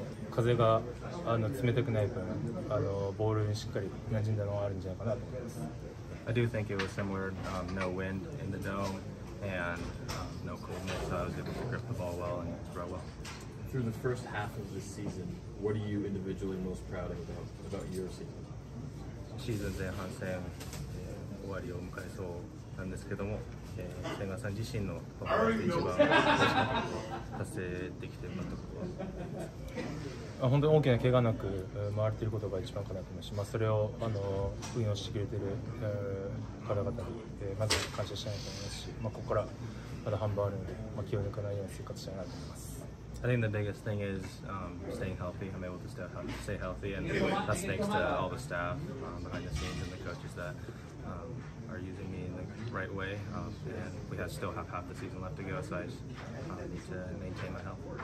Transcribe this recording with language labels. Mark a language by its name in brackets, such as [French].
[Japanese] 風が冷たくない分、ボールにしっかり馴染んだのはあるんじゃないかなと思います。 [English] I do think it was similar, no wind in the dome and no coldness, so I was able to grip the ball well and throw well. Through the first half of this season, what are you individually most proud of about your season? [Japanese] シーズン前半戦、終わりを迎えそうなんですけども、千賀さん自身のパフォーマンスで一番達成できてるなと思います。本当に大きな怪我なく回れていることが一番かなと思いますし、まあ、それを運用してくれている方々にまず感謝したいと思いますし、まあ、ここからまだ半分あるので、まあ、気を抜かないように生活したいなと思います。 [English] I think the biggest thing is staying healthy. I'm able to stay healthy, and that's thanks to all the staff behind the scenes and the coaches that are using me in the right way. And we still have half the season left to go, so I need to maintain my health.